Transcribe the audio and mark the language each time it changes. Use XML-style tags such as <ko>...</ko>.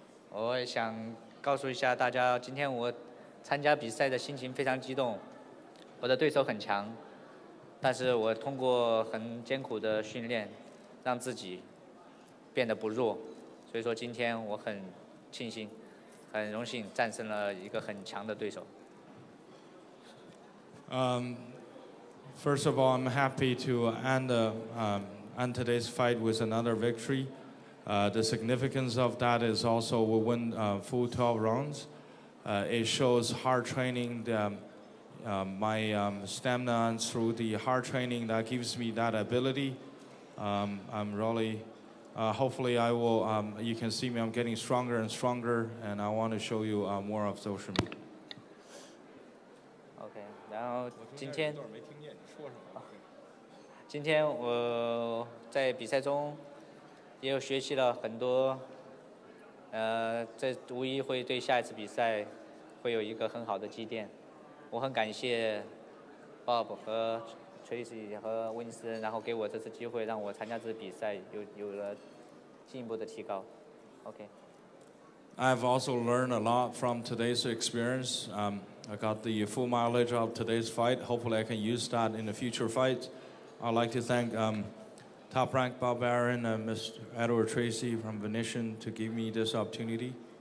<zh>我想告诉一下大家，今天我参加比赛的心情非常激动，我的对手很强，但是我通过很艰苦的训练让自己变得不弱，所以说今天我很庆幸很荣幸战胜了一个很强的对手。</zh> <en>First of all, I'm happy to end today's fight with another victory. The significance of that is also we win full 12 rounds. It shows hard training, my stamina, and through the hard training that gives me that ability. I'm really, hopefully I will, you can see me, I'm getting stronger and stronger, and I want to show you more of social media.</en> <zh>Okay, 然后今天今天我在比赛中也有学习了很多，这无疑会对下一次比赛会有一个很好的积淀。我很感谢 Bob 和 Tracy 和温斯，然后给我这次机会让我参加这次比赛，有了进一步的提高。</zh> <en>OK. I've also learned a lot from today's experience. I got the full mileage of today's fight. Hopefully, I can use that in a future fight. I'd like to thank Top Rank Bob Arum and Mr. Edward Tracy from Venetian to give me this opportunity.</en>